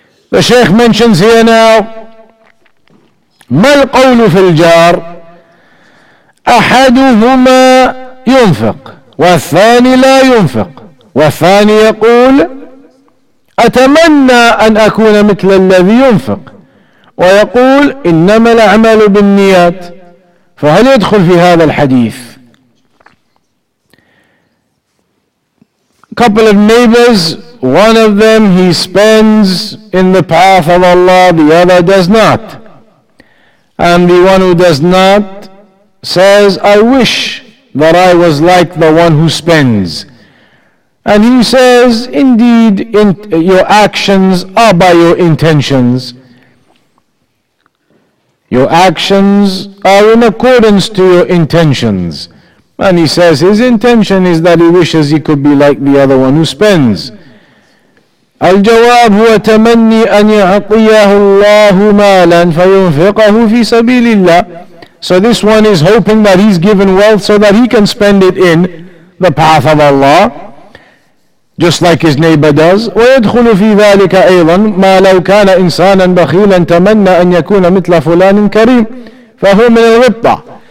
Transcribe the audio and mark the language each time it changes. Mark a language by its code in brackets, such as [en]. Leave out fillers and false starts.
[en] The Shaykh mentions here now, [ar] ما القول في الجار أحدهما ينفق والثاني لا ينفق والثاني يقول أتمنى أن أكون مثل الذي ينفق ويقول إنما الأعمال بالنيات فهل يدخل في هذا الحديث. [en] Couple of neighbors, one of them he spends in the path of Allah, the other does not. And the one who does not says, I wish that I was like the one who spends. And he says, indeed, your actions are by your intentions. Your actions are in accordance to your intentions. And he says his intention is that he wishes he could be like the other one who spends. [ar] الجواب هو تمني أن يعطيه الله مالا فينفقه في سبيل الله. [en] So this one is hoping that he's given wealth so that he can spend it in the path of Allah, just like his neighbor does. [ar] وَيَدْخُلُ فِي ذَٰلِكَ أَيْضًا مَا لَوْ كَانَ إِنسَانًا بَخِيلًا تَمَنَّى أَنْ يَكُونَ مِثْلَ فُلَانٍ كَرِيمٍ فَهُوَ مِنَ الْغِبْطَةِ.